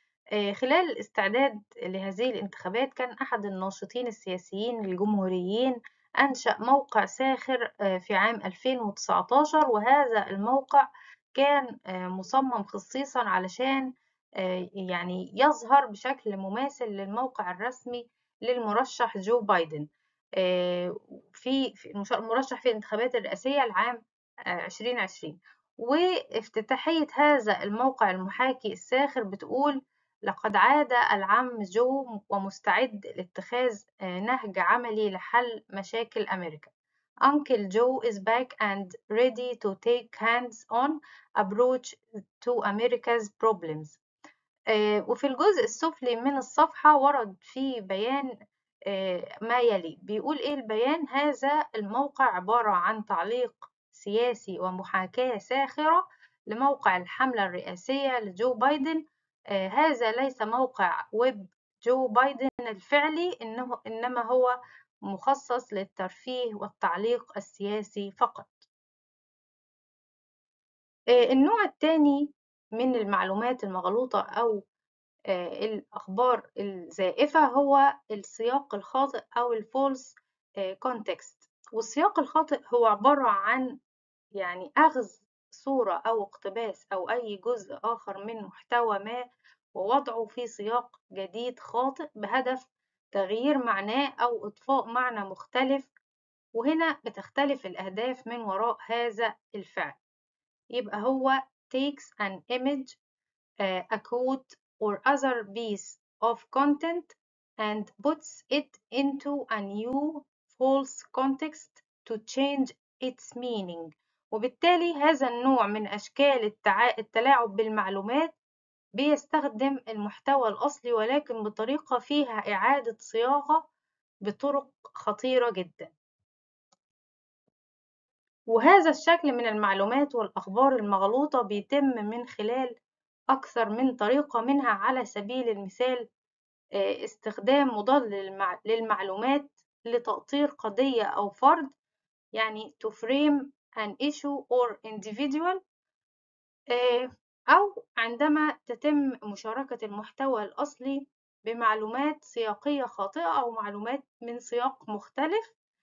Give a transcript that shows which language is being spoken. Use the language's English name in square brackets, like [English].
[Arabic] خلال الاستعداد لهذه الانتخابات كان أحد الناشطين السياسيين الجمهوريين أنشأ موقع ساخر في عام 2019، وهذا الموقع كان مصمم خصيصا علشان يعني يظهر بشكل مماثل للموقع الرسمي للمرشح جو بايدن في المرشح في الانتخابات الرئاسية لعام 2020. وافتتاحية هذا الموقع المحاكي الساخر بتقول: لقد عاد العم جو ومستعد لاتخاذ نهج عملي لحل مشاكل أمريكا. [English] Uncle Joe is back and ready to take hands-on approach to America's problems. [Arabic] وفي الجزء السفلي من الصفحة ورد في بيان ما يلي، بيقول إيه البيان: هذا الموقع عبارة عن تعليق سياسي ومحاكاة ساخرة لموقع الحملة الرئاسية لجو بايدن. هذا ليس موقع ويب جو بايدن الفعلي، إنما هو مخصص للترفيه والتعليق السياسي فقط. النوع الثاني من المعلومات المغلوطة أو الأخبار الزائفة هو السياق الخاطئ أو [English] false context. [Arabic] والسياق الخاطئ هو عبارة عن يعني أخذ صورة أو اقتباس أو أي جزء آخر من محتوى ما ووضعه في سياق جديد خاطئ بهدف تغيير معناه أو إضفاء معنى مختلف، وهنا بتختلف الأهداف من وراء هذا الفعل. يبقى هو [English] takes an image, a quote or other piece of content and puts it into a new false context to change its meaning. [Arabic] وبالتالي هذا النوع من أشكال التلاعب بالمعلومات بيستخدم المحتوى الأصلي ولكن بطريقة فيها إعادة صياغة بطرق خطيرة جدا. وهذا الشكل من المعلومات والأخبار المغلوطة بيتم من خلال أكثر من طريقة، منها على سبيل المثال استخدام مضاد للمعلومات لتأطير قضية أو فرد، يعني [English] to frame an issue or individual، [Arabic] أو عندما تتم مشاركة المحتوى الأصلي بمعلومات سياقية خاطئة أو معلومات من سياق مختلف.